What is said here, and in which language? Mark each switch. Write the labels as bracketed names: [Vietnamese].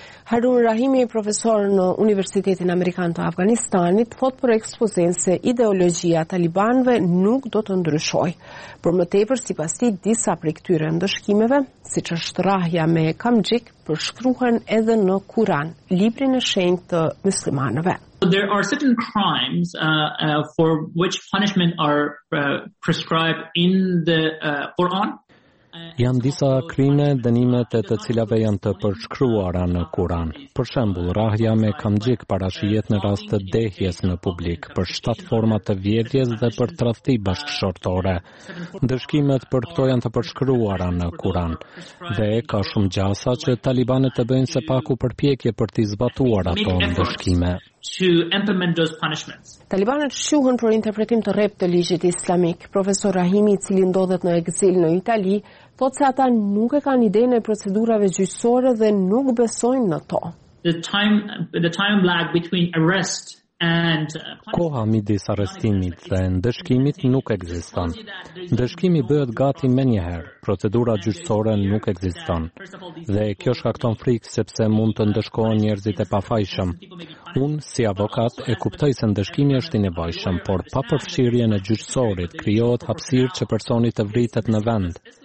[Albanian] Harun Rahimi, profesor në Universitetin Amerikan të Afganistanit, thot për ekspozen se ideologjia talibanëve nuk do të ndryshoj. Por më tepër, sipas tij, disa prej këtyre ndëshkimeve, siç është rrahja me kamxhik, përshkruhen edhe në Kur'an, librin e shenjtë të muslimanëve. [English] There are certain crimes for which punishment are prescribed in the Quran. [Albanian] Janë disa krime dënimet e të cilave janë të përshkruara në Kur'an. Për shembull, rrahja me kamxhik parashihet në rast të dehjes në publik, për 7 forma të vjedhjes dhe për tradhti bashkëshortore. Ndëshkimet për këto janë të përshkruara në Kur'an. Dhe ka shumë gjasa që talibanët të bëjnë së paku përpjekje për t'i zbatuar ato ndëshkime. [English] To implement those punishments. [Albanian] Talibanët shquhen për interpretim të rrept të ligjit islamik. Profesor Rahimi, i cili ndodhet në ekzil në Itali, thotë se ata nuk e kanë idenë e procedurave gjyqësore dhe nuk besojnë në to. [English] The time lag between arrest and [Albanian] koha midis arrestimit dhe ndëshkimit nuk ekziston. Ndëshkimi bëhet gati menjëherë. Procedura gjyqësore nuk ekziston. Dhe kjo shkakton frikë sepse mund të ndëshkohen njerëzit e pafajshëm. Unë, si avokat, e kuptoj se ndëshkimi është i nevojshëm, por pa përfshirjen e gjyqësorit, krijohet hapësirë që personi të vritet në vend.